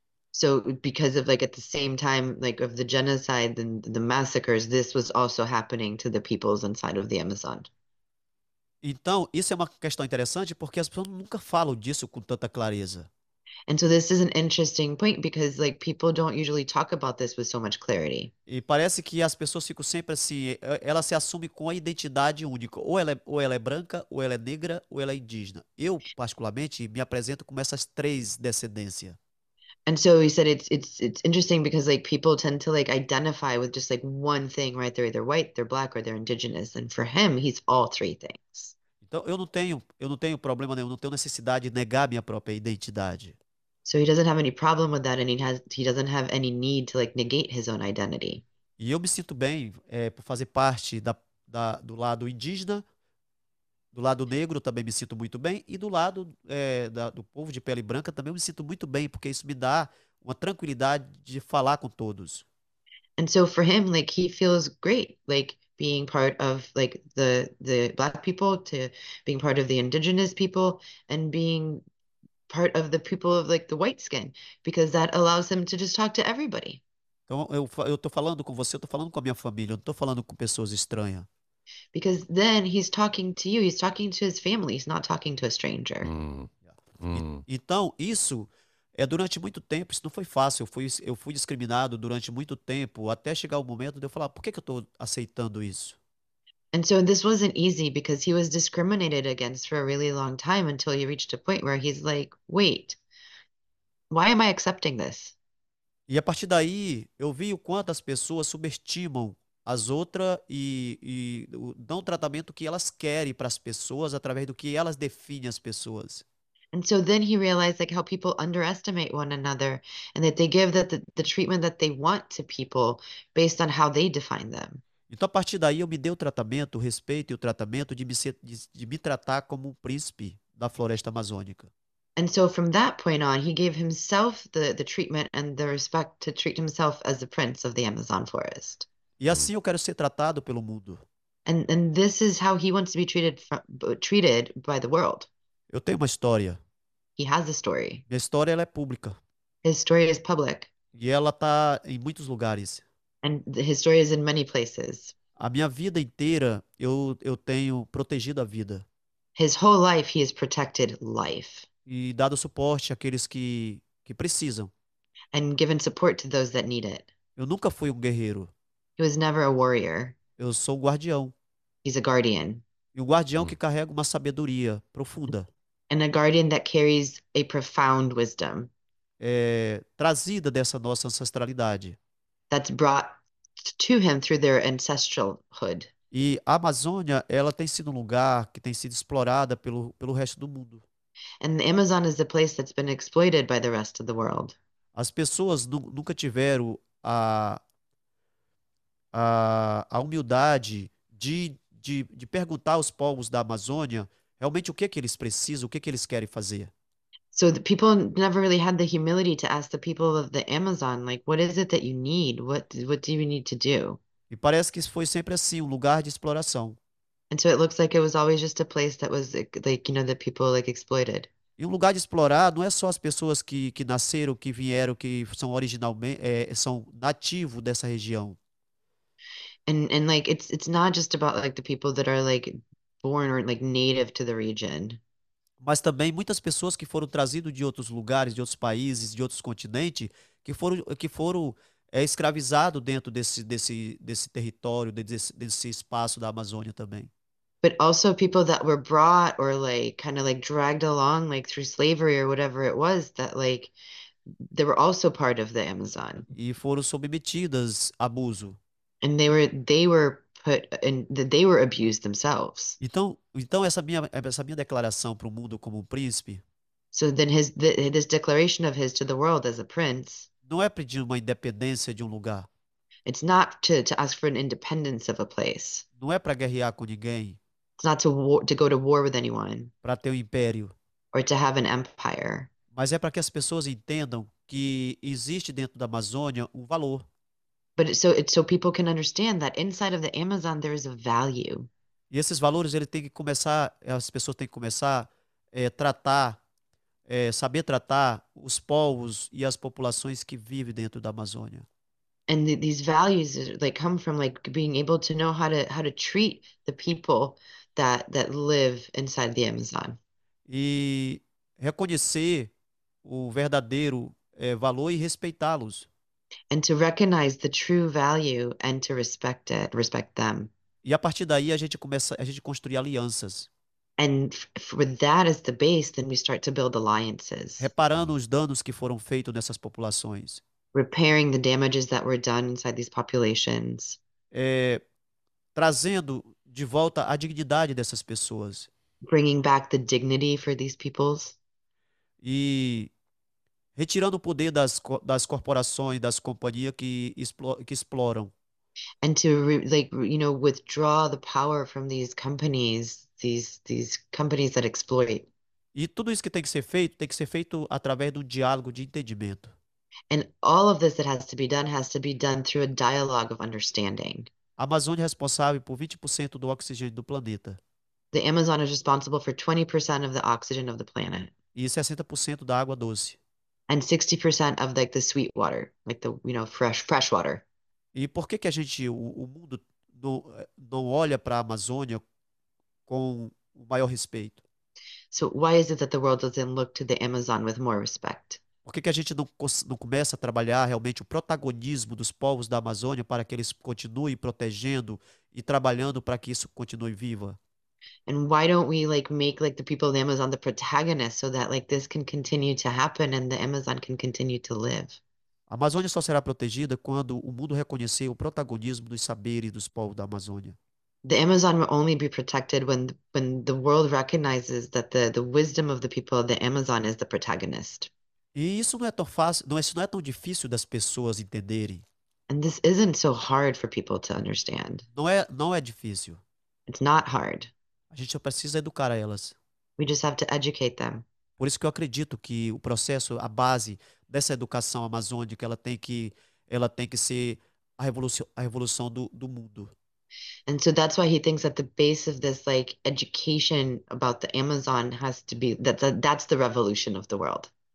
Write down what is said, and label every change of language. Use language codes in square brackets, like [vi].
[en] So, because of like at the same time, like of the genocide and the massacres, this was also happening to the peoples inside of the Amazon. [pt] Então, isso é uma questão interessante porque as pessoas nunca falam disso com tanta clareza. [en] And so, this is an interesting point because like people don't usually talk about this with so much clarity. [pt] E parece que as pessoas ficam sempre assim, ela se assume com a identidade única. Ou ela é branca, ou ela é negra, ou ela é indígena. Eu, particularmente, me apresento com essas três descendências. [en] And so he said it's interesting because like people tend to like identify with just like one thing, right? They're either white, they're black, or they're indigenous. And for him, he's all three things. [pt] Então, eu não tenho problema nenhum, não tenho necessidade de negar minha própria identidade. [en] So he doesn't have any problem with that, and he doesn't have any need to like negate his own identity. [pt] E eu me sinto bem, por fazer parte do lado indígena, do lado negro também me sinto muito bem, e do lado, do povo de pele branca também me sinto muito bem, porque isso me dá uma tranquilidade de falar com todos. [en] And so for him, like he feels great, like being part of like the black people to being part of the indigenous people and being part of the people of like the white skin, because that allows him to just talk to everybody. [pt] Então, eu estou falando com você, eu estou falando com a minha família, eu não estou falando com pessoas estranhas. [en] Because then he's talking to you, he's talking to his family, he's not talking to a stranger. [pt] Então, isso Durante muito tempo, isso não foi fácil. Eu fui discriminado durante muito tempo, até chegar o momento de eu falar: por que que eu estou aceitando isso? [en] And so this wasn't easy because he was discriminated against for a really long time until he reached a point where he's like, wait, why am I accepting this? [pt] E a partir daí, eu vi o quanto as pessoas subestimam as outras e dão o tratamento que elas querem para as pessoas através do que elas definem as pessoas. [en] And so then he realized like how people underestimate one another and that they give the treatment that they want to people based on how they define them. [pt] Então, a partir daí, eu me dei o tratamento, o respeito e o tratamento de me tratar como um príncipe da floresta amazônica. [en] And so from that point on, he gave himself the treatment and the respect to treat himself as the prince of the Amazon forest. [pt] E assim eu quero ser tratado pelo mundo. [en] And this is how he wants to be treated by the world. [pt] Eu tenho uma história. [en] He has a story. [pt] Minha história, ela é pública. [en] His story is public. [pt] E ela está em muitos lugares. [en] And his story is in many places. [pt] A minha vida inteira, eu tenho protegido a vida. [en] His whole life, he has protected life. [pt] E dado suporte àqueles que precisam. [en] And given support to those that need it. [pt] Eu nunca fui um guerreiro. [en] He was never a warrior. [pt] Eu sou um guardião. [en] He's a guardian. [pt] E um guardião que carrega uma sabedoria profunda. [en] And a guardian that carries a profound wisdom [pt] É, trazida dessa nossa ancestralidade. [en] that's brought to him through their ancestralhood. [pt] E a Amazônia, ela tem sido um lugar que tem sido explorada pelo resto do mundo. [en] And the Amazon is a place that's been exploited by the rest of the world. [pt] As pessoas nu nunca tiveram a humildade de perguntar aos povos da Amazônia realmente o que é que eles precisam, o que é que eles querem fazer. [en] So the people never really had the humility to ask the people of the Amazon, like, what is it that you need? What do you need to do? [pt] E parece que foi sempre assim, um lugar de exploração. [en] And so it looks like it was always just a place that was like the people like exploited. [pt] E um lugar de explorar não é só as pessoas que nasceram, que vieram, que são originalmente, são nativos dessa região. [en] And like it's not just about like the people that are like born or like native to the region. [pt] Mas também muitas pessoas que foram trazidas de outros lugares, de outros países, de outros continentes, que foram escravizado dentro desse território, desse espaço da Amazônia também. [en] But also people that were brought or like kind of like dragged along like through slavery or whatever it was that like they were also part of the Amazon. [pt] E foram submetidas a abuso. [en] And they were put in they were abused themselves. [pt] Então, essa minha declaração para o mundo como um príncipe. [en] So then his the, this declaration of his to the world as a prince. [pt] Não é pedir uma independência de um lugar. [en] It's not to ask for an independence of a place. [pt] Não é para guerrear com ninguém. [en] It's not to go to war with anyone [pt] Para ter um império. [en] or to have an empire. [pt] Mas é para que as pessoas entendam que existe dentro da Amazônia um valor. [en] But so people can understand that inside of the Amazon there is a value. [pt] E esses valores ele tem que começar, as pessoas têm que começar a tratar. É saber tratar os povos e as populações que vivem dentro da Amazônia. [en] And these values like come from like being able to know how to treat the people that live inside the Amazon. [pt] E reconhecer o verdadeiro valor e respeitá-los. [en] And to recognize the true value and to respect them. [pt] E a partir daí a gente construir alianças. [en] And with that as the base, then we start to build alliances. [pt] Reparando os danos que foram feitos nessas populações. [en] Repairing the damages that were done inside these populations. [pt] Trazendo de volta a dignidade dessas pessoas. [en] Bringing back the dignity for these peoples. [pt] E retirando o poder das corporações, das companhias que exploram. [en] And to re like withdraw the power from these companies, these companies that exploit. [pt] E tudo isso que tem que ser feito através do diálogo de entendimento. [en] And all of this that has to be done through a dialogue of understanding. [pt] A Amazônia é responsável por 20% do oxigênio do planeta. [en] The Amazon is responsible for 20% of the oxygen of the planet. [pt] E 60% da água doce. [en] And 60% of like the sweet water, like the fresh water. [pt] E por que que o mundo não olha para a Amazônia com o maior respeito? [en] So why is it that the world doesn't look to the Amazon with more respect? [pt] Por que que a gente não começa a trabalhar realmente o protagonismo dos povos da Amazônia para que eles continuem protegendo e trabalhando para que isso continue viva? [en] And why don't we like make like the people of the Amazon the protagonist so that like this can continue to happen and the Amazon can continue to live? [pt] A Amazônia só será protegida quando o mundo reconhecer o protagonismo dos saberes dos povos da Amazônia. [en] The Amazon will only be protected when the world recognizes that the wisdom of the people of the Amazon is the protagonist. [pt] E isso não é tão fácil, não, isso não é tão difícil das pessoas entenderem. [en] And this isn't so hard for people to understand. [pt] Não é difícil. [en] It's not hard. [pt] A gente só precisa educar elas. [en] We just have to educate them. [pt] Por isso que eu acredito que o processo, a base dessa educação amazônica, ela tem que ser a revolução do mundo. [en] And so that's why he thinks that the base of this like education about the Amazon has to be that's the revolution of the world.